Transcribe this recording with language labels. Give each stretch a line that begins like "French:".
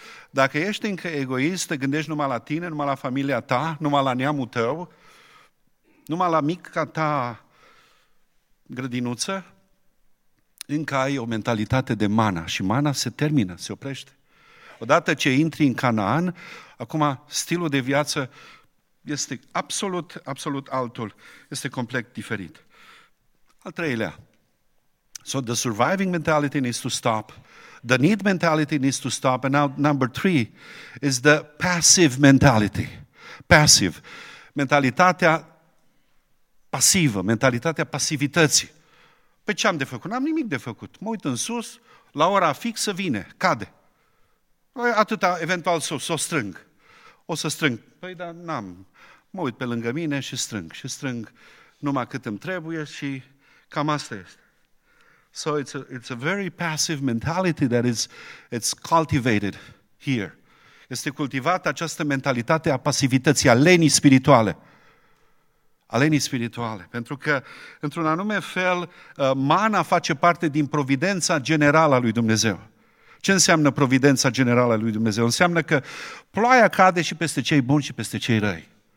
Romanian: Dacă ești încă egoist, te gândești numai la tine, numai la familia ta, numai la neamul tău, numai la mica ta grădinuță, încă ai o mentalitate de mana și mana se termină, se oprește. Odată ce intri în Canaan, acum stilul de viață este absolut, absolut altul, este complet diferit. Al treilea.
English: So the surviving mentality needs to stop. The need mentality needs to stop. And now number three is the passive mentality. Passive.
Romanian: Mentalitatea pasivă, mentalitatea pasivității. Pe ce am de făcut? N-am nimic de făcut. Mă uit în sus, la ora fixă vine, cade. Atâta, eventual, s-o strâng. O să strâng. Păi, dar n-am. Mă uit pe lângă mine și strâng. Și strâng numai cât îmi trebuie și cam asta este.
English: So it's a very passive mentality that it's cultivated here.
Romanian: Este cultivată această mentalitate a pasivității, a lenii spirituale. Alenii spirituale, pentru că, într-un anume fel, mana face parte din providența generală a lui Dumnezeu. Ce înseamnă providența generală a lui Dumnezeu? Înseamnă că ploaia cade și peste cei buni și peste cei răi.